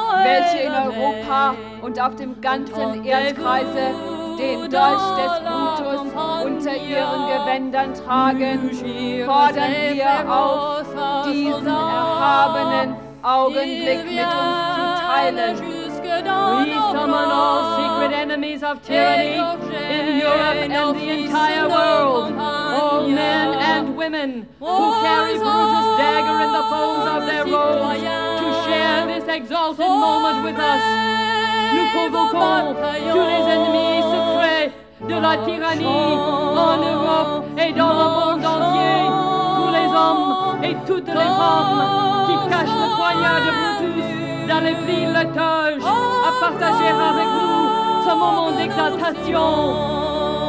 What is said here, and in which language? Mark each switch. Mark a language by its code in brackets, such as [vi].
[de] Welche in Europa und auf dem ganzen Erdkreise den Dolch des Brutus unter ihren Gewändern tragen, fordern wir auf, diesen erhabenen Augenblick mit uns zu teilen. [en] We summon all secret enemies of tyranny in Europe and the entire world, all men and women who carry Brutus' dagger in the folds of their robes, to share this exalted moment with us. [fr] Nous convoquons tous les ennemis secrets de la tyrannie en Europe et dans le monde entier, tous les hommes et toutes les femmes qui cachent le poignard de Brutus dans les villes de Toge, à partager avec nous ce moment d'exaltation.